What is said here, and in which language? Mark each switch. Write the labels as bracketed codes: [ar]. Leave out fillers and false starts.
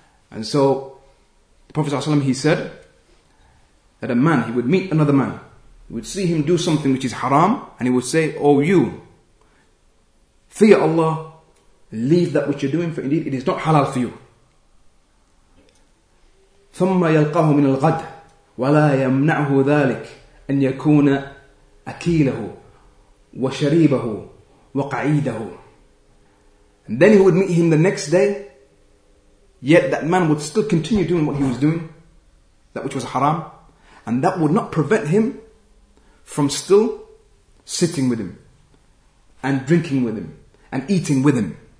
[en] And so, the Prophet ﷺ, he said that a man, he would meet another man. He would see him do something which is haram and he would say, oh you, fear Allah, leave that which you're doing, for indeed it is not halal for you. [ar] ثُمَّ يَلْقَاهُ مِنَ الْغَدِ وَلَا يَمْنَعْهُ ذَلِكَ أن يكون أكيله وشريبه وقعيده. [en] And then he would meet him the next day, yet that man would still continue doing what he was doing, that which was haram, and that would not prevent him from still sitting with him and drinking with him and eating with him.